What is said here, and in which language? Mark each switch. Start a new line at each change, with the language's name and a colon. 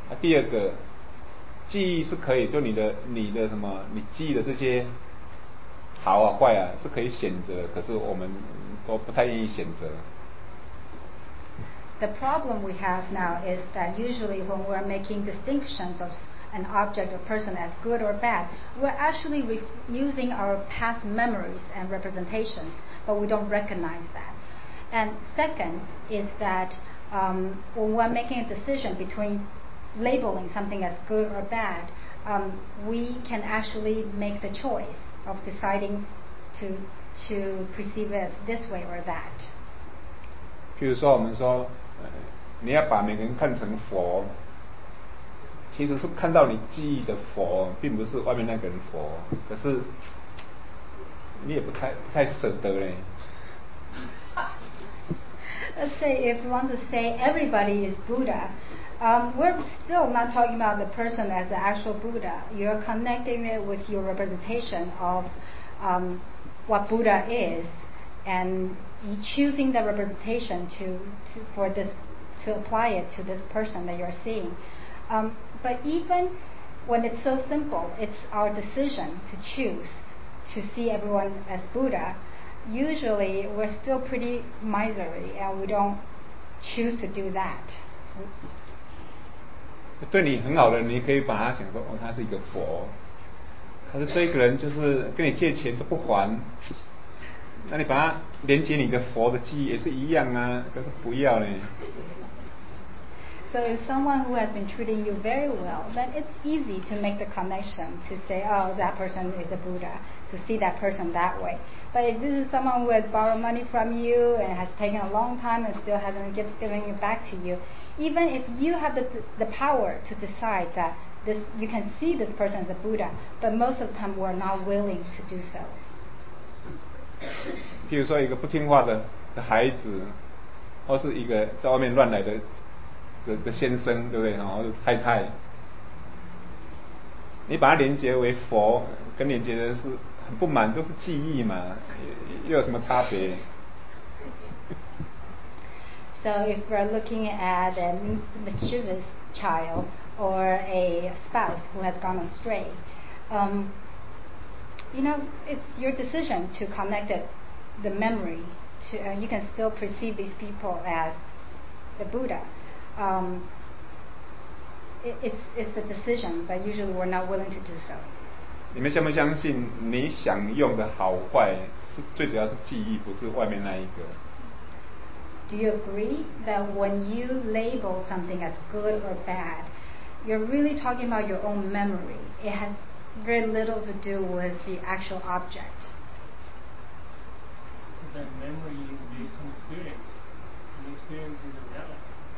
Chinese: 第二个，记忆是可以，就你的什么，你记忆的这些好啊坏啊是可以选择，可是我们都不太愿意选择。
English: The problem we have now is that usually when we're making distinctions of an object or person as good or bad, we're actually using our past memories and representations, but we don't recognize that. And second is that when we're making a decision between labeling something as good or bad, we can actually make the choice of deciding to perceive it as this way or that.
Chinese: 譬如说我们说你要把每个人看成佛，其实是看到你记忆的佛，并不是外面那个人佛，可是你也不太舍得咧。
English: Let's say if we want to say everybody is Buddha, we're still not talking about the person as the actual Buddha. You're connecting it with your representation of what Buddha is, and choosing the representation to apply it to this person that you're seeing. But even when it's so simple, it's our decision to choose to see everyone as Buddha. Usually, we're still pretty miserly, and we don't choose to do that.
Chinese: 对你很好的，你可以把他想说，哦，他是一个佛。可是这个人就是跟你借钱都不还，那你把他连接你的佛的记忆也是一样啊，可是不要呢。
English: So if someone who has been treating you very well, then it's easy to make the connection to say, oh, that person is a Buddha, to see that person that way. But if this is someone who has borrowed money from you and has taken a long time and still hasn't given it back to you, even if you have the power to decide that this, you can see this person as a Buddha, but most of the time we're not willing to do so.
Chinese: 譬如说一个不听话的孩子，或是一个在外面乱来的先生，对不对？然后太太，你把它连接为佛，跟连接的是很不满，都是记忆嘛，又有什么差别？
English: So if we're looking at a mischievous child or a spouse who has gone astray, you know, it's your decision to connect the memory to, you can still perceive these people as the Buddha. It's a decision, but usually we're not willing to do so.
Chinese: 你们相不相信你享用的好坏是最主要是记忆，不是外面那一个？
English: Do you agree that when you label something as good or bad, you're really talking about your own memory? It has very little to do with the actual object. That memory is based on experience, and experience is a reality.